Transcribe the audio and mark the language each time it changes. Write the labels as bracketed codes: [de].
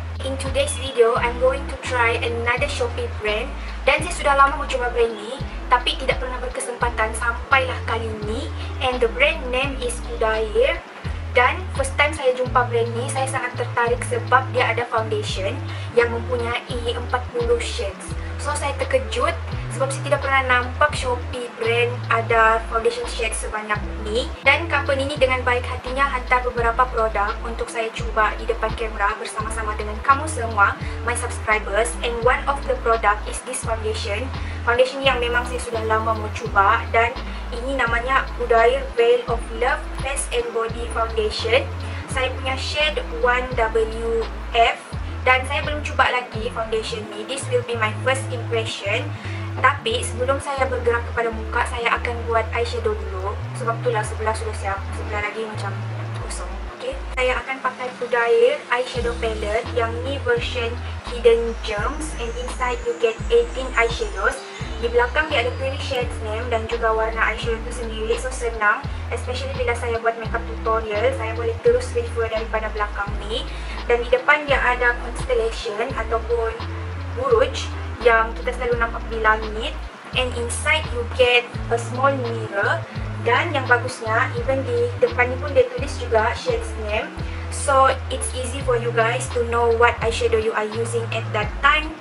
[en] In today's video, I'm going to try another Shopee brand. [ms] Dan saya sudah lama mencuba brand ni, tapi tidak pernah berkesempatan sampailah kali ni. [en] And the brand name is Udair. [ms] Dan first time saya jumpa brand ni, saya sangat tertarik sebab dia ada foundation yang mempunyai 40 shades. So saya terkejut sebab saya tidak pernah nampak Shopee brand ada foundation shade sebanyak ni. Dan company ni dengan baik hatinya hantar beberapa produk untuk saya cuba di depan kamera bersama-sama dengan kamu semua, [en] my subscribers. And one of the product is this foundation. [ms] Foundation yang memang saya sudah lama mau cuba. Dan ini namanya Udair Veil of Love Face and Body Foundation. Saya punya shade 1WF. Dan saya belum cuba lagi foundation ni. [en] This will be my first impression. [ms] Tapi sebelum saya bergerak kepada muka, saya akan buat eyeshadow dulu. Sebab itulah sebelah sudah siap, sebelah lagi macam kosong. Okay. Saya akan pakai Udair eyeshadow palette. Yang ni version Hidden Gems. [en] And inside you get 18 eyeshadows. [ms] Di belakang dia ada pretty shades name dan juga warna eyeshadow tu sendiri. So senang, especially bila saya buat makeup tutorial, saya boleh terus refer daripada belakang ni. Dan di depan dia ada constellation ataupun buruj yang kita selalu nampak di langit. [en] And inside you get a small mirror. [ms] Dan yang bagusnya, even di depan ni pun dia tulis juga shades name. [en] So it's easy for you guys to know what eyeshadow you are using at that time.